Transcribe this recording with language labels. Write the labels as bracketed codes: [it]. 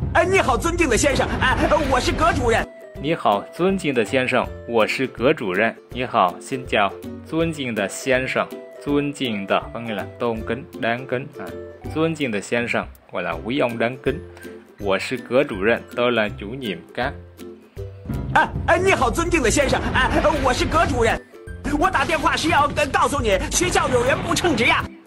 [zh] 你好尊敬的先生, 我是葛主任. 你好尊敬的先生, 我是葛主任. 你好, [vi] xin chào, [zh] 尊敬的先生, 尊敬的, [vi] có nghĩa là tôn kính, đáng kính. [zh] 尊敬的先生, [vi] gọi là quý ông đáng kính. [zh] 我是葛主任, [vi] tôi là chủ nhiệm các. [zh] 你好尊敬的先生, 我是葛主任.我打电话是要告诉你学校有人不称职呀。